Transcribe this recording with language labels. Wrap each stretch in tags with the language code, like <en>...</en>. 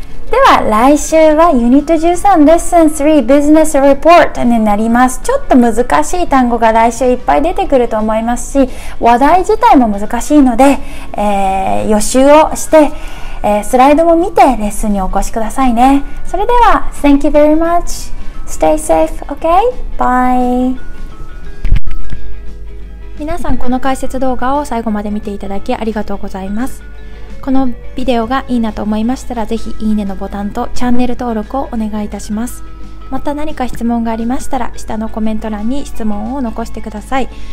<ja>では来週はユニット13レッスン3ビジネスレポートになります。ちょっと難しい単語が来週いっぱい出てくると思いますし、話題自体も難しいので、予習をして、スライドも見てレッスンにお越しくださいね。</ja> <en>それでは Thank you very much. Stay safe. Okay? Bye.</en> <ja>皆さん、この解説動画を最後まで見ていただきありがとうございます。このビデオがいいなと思いましたら、ぜひいいねのボタンとチャンネル登録をお願いいたします。また何か質問がありましたら、下のコメント欄に質問を残してください。</ja>